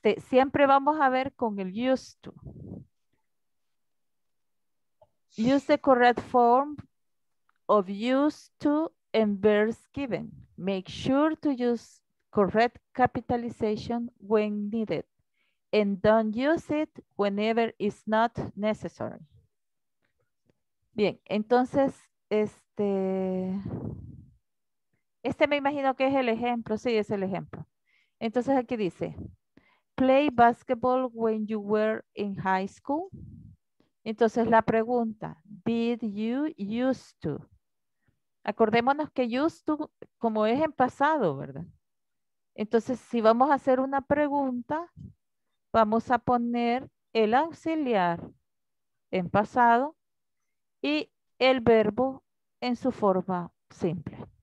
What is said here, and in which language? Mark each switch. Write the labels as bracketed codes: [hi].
[es] Siempre vamos a ver con el used to. [en] Use the correct form of used to and verbs given. Make sure to use correct capitalization when needed. And don't use it whenever it's not necessary. [es] Bien, entonces, este me imagino que es el ejemplo. Sí, es el ejemplo. Entonces aquí dice, [en] play basketball when you were in high school. [es] Entonces la pregunta, [en] did you used to? [es] Acordémonos que used to, como es en pasado, ¿verdad? Entonces, si vamos a hacer una pregunta, vamos a poner el auxiliar en pasado y el verbo en su forma simple.